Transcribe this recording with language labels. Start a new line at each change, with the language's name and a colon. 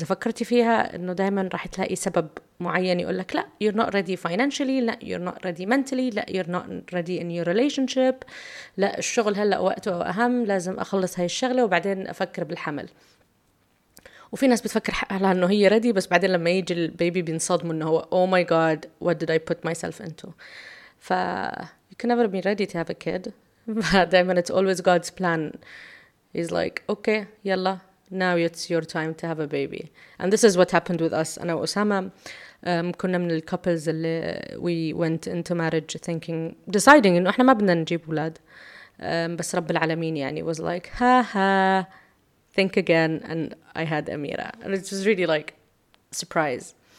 Arabic: اذا فكرتي فيها انه دائما راح تلاقي سبب معين يقولك لا
English: you're not ready financially,
Arabic: لا
English: you're not ready mentally,
Arabic: لا
English: you're not ready in your relationship,
Arabic: لا الشغل هلأ وقته اهم, لازم اخلص هاي الشغلة وبعدين افكر بالحمل. وفي ناس بتفكر حقها انه هي ready, بس بعدين لما يجي البيبي بينصدموا انه هو
English: oh my god what did I put myself into. ف you can never be ready to have a kid.
Arabic: دائما
English: it's always God's plan. He's like okay يلا now it's your time to have a baby. And this is what happened with us.
Arabic: أنا وأسامة كنا من الكوبلز اللي
English: we went into marriage thinking, deciding
Arabic: إنه إحنا ما بدنا نجيب أولاد. بس رب العالمين يعني
English: was like, ha ha, think again, and I had Amira. And it was really like, surprise.